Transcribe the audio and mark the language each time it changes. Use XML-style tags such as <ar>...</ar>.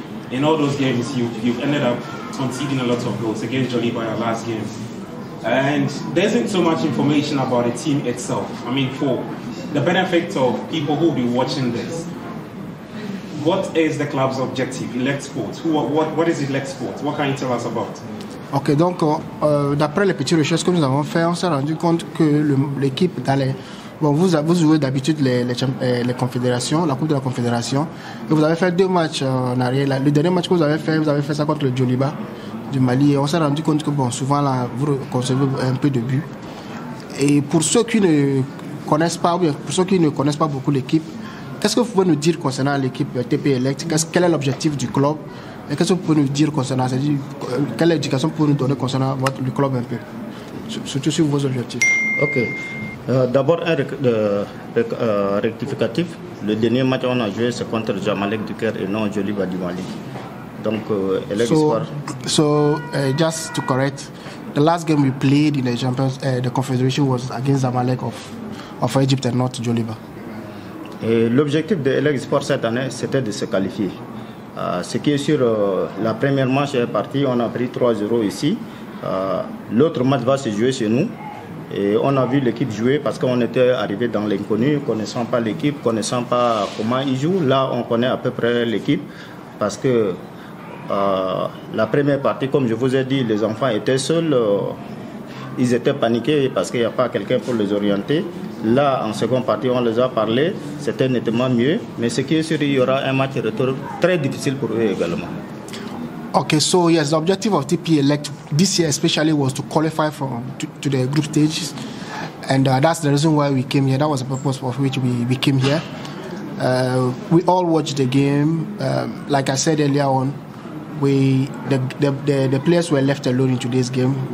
<en>In all those games, you've ended up conceding a lot of goals against Jolly by our last game. And there isn't so much information about the team itself. I mean, for the benefit of people who will be watching this, what is the club's objective? Elect Sports. What is Elect Sports? What can you tell us about?</en> <fr>Ok, donc d'après les petites recherches que nous avons faites, on s'est rendu compte que l'équipe d'aller. Bon, vous jouez d'habitude les confédérations, la Coupe de la Confédération, et vous avez fait 2 matchs en arrière. Le dernier match que vous avez fait ça contre le Djoliba du Mali, et on s'est rendu compte que bon, souvent là, vous concevez un peu de buts. Et pour ceux qui ne connaissent pas, ou bien pour ceux qui ne connaissent pas beaucoup l'équipe, qu'est-ce que vous pouvez nous dire concernant l'équipe TP Elect? Quel est l'objectif du club? Et qu'est-ce que vous pouvez nous dire concernant, c'est-à-dire quelle éducation vous pouvez nous donner concernant le club un peu, surtout sur vos objectifs? Ok. D'abord, un rectificatif. Le dernier match qu'on a joué, c'est contre Jamalek du Caire et non Jolly Badi Mali. Donc, Elect Sport.</fr> <en>So, just to correct, the last game we played in the Champions, the Confederation was against Jamalek of Egypt and not Jolly Badi.</en> <fr>L'objectif de Elect Sport cette année, c'était de se qualifier. Ce qui est sûr, la première manche est partie, on a pris 3-0 ici. L'autre match va se jouer chez nous. Et on a vu l'équipe jouer parce qu'on était arrivé dans l'inconnu, connaissant pas l'équipe, connaissant pas comment ils jouent. Là, on connaît à peu près l'équipe parce que la première partie, comme je vous ai dit, les enfants étaient seuls. Ils étaient paniqués parce qu'il n'y a pas quelqu'un pour les orienter. Là, en seconde partie, on les a parlé. C'était nettement mieux. Mais ce qui est sûr, il y aura un match retour très difficile pour eux également.</fr> <en>OK, so yes, the objective of TP Elect this year especially was to qualify to the group stages. And that's the reason why we came here. That was the purpose for which we came here. We all watched the game. Like I said earlier on, the players were left alone in today's game.</en>